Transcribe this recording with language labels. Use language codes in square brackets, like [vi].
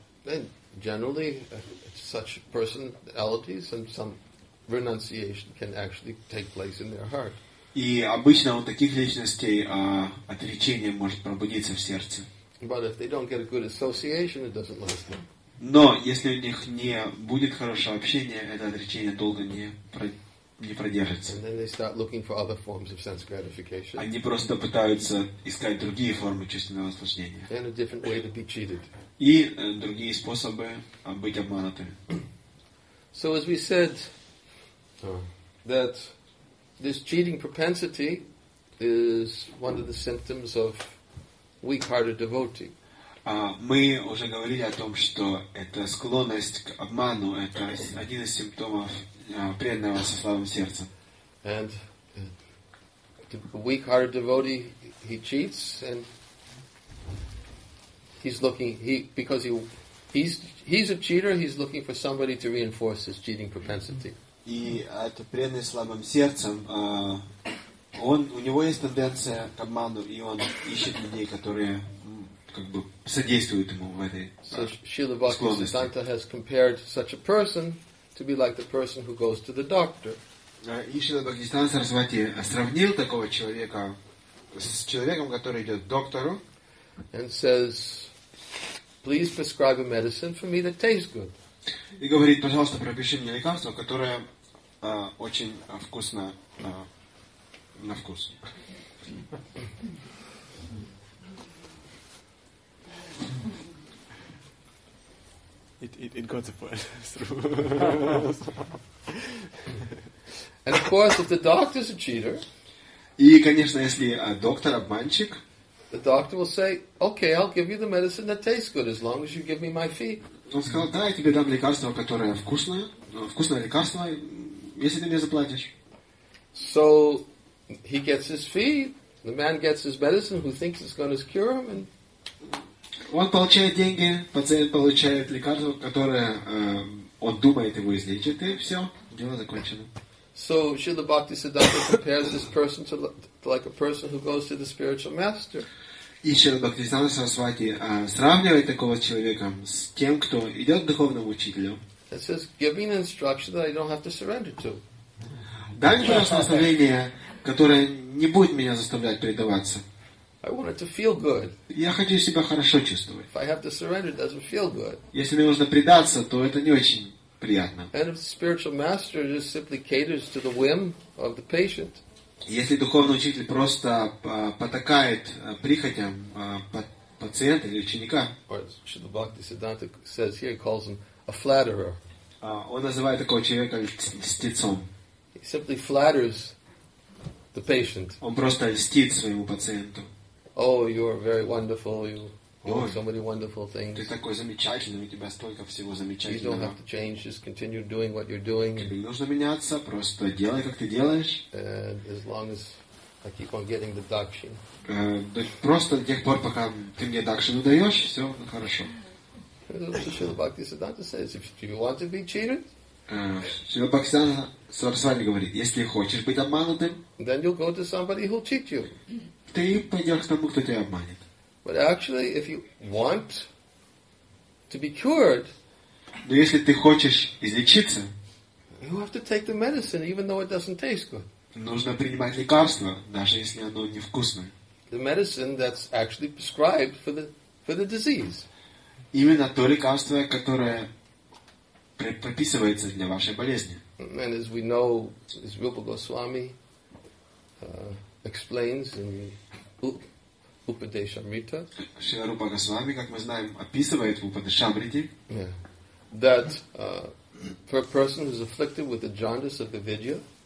[en] And generally, such personalities and some renunciation can actually take place in their heart. [ru] И обычно у таких личностей отречение может пробудиться в сердце. [en] But if they don't get a good association, it doesn't last long. [ru] Но если у них не будет хорошего общения, это отречение долго не продержится. [en] And then they start looking for other forms of sense gratification. [ru] Они просто пытаются искать другие формы чувственного наслаждения. [en] And a different way to be cheated. [ru] И другие способы быть обманутыми. [en] So as we said, that this cheating propensity is one of the symptoms of weak-hearted devotee. [ru] Мы уже говорили о том, что эта склонность к обману — это один из симптомов преданного со слабым сердцем. [en] And a weak-hearted devotee, he cheats, and he's a cheater. He's looking for somebody to reinforce his cheating propensity. [ru] И этот преданный слабым сердцем. У него есть тенденция к обману, и он ищет людей, которые как бы содействуют ему в этой [en] Шрила Бхактисиддханта has compared such a person to be like the person who goes to the doctor. [ru] И Шрила Бхактисиддханта Сарасвати сравнил такого человека с человеком, который идет к доктору, [en] and says, please prescribe a medicine for me that tastes good. [ru] И говорит, пожалуйста, пропиши мне лекарство, которое очень вкусно. На вкус. [en] It got the point through. And of course, if the doctor's a cheater, [ru] и конечно, если доктор обманщик, [en] the doctor will say, "Okay, I'll give you the medicine that tastes good, as long as you give me my fee." [ru] Он сказал, да, я тебе дам лекарство, которое вкусное лекарство, если ты мне заплатишь. [en] So he gets his fee, the man gets his medicine, who thinks it's going to cure him, and [ru] он получает деньги, пациент получает лекарство, которое он думает его излечит, и все, дело закончено. [en] So Srila Bhaktisiddhanta compares this person to like a person who goes to the spiritual master. [ru] И Шрила Бхактисиддханта Сарасвати сравнивает такого человека с тем, кто идет к духовному учителю. [en] It says, give me an instruction that I don't have to surrender to. [ru] Дай мне просто наставление, которое не будет меня заставлять предаваться. [en] I want it to feel good. [ru] Я хочу себя хорошо чувствовать. [en] If I have to surrender, it doesn't feel good. [ru] Если мне нужно предаться, то это не очень приятно. [en] And if the spiritual master just simply caters to the whim of the patient. [ru] Если духовный учитель просто потакает прихотям пациента или ученика. [en] Or Shrila Bhaktisiddhanta says here, he calls him a flatterer. [ru] Он называет такого человека льстецом. [en] He simply flatters the patient. [ru] Он просто льстит своему пациенту. [en] Oh, you are very wonderful. You do so many wonderful things. [ru] Ты такой замечательный, у тебя столько всего замечательного. [en] You don't have to change, just continue doing what you're doing. [ru] Тебе не нужно меняться, просто делай, как ты делаешь. [en] And as long as I keep on getting the dakshin. [ru] Просто до тех пор, пока ты мне дакшину даешь, все хорошо. [en] Шрила Бхактисиддханта says, if you want to be cheated, [ru] Шрила Бхактисиддханта Сарасвати говорит, если хочешь быть обманутым, [en] then you'll go to somebody who'll cheat you. [ru] Ты пойдешь к тому, кто тебя обманет. [en] But actually, if you want to be cured, [ru] но если ты хочешь излечиться, [en] you have to take the medicine, even though it doesn't taste good. [ru] Нужно принимать лекарство, даже если оно невкусное. [en] The medicine that's actually prescribed for the disease. [ru] Именно то лекарство, которое прописывается для вашей болезни. [en] And as we know, as Rupa Goswami explains in Upadeshamrita, that for a person who is afflicted with the jaundice of avidya,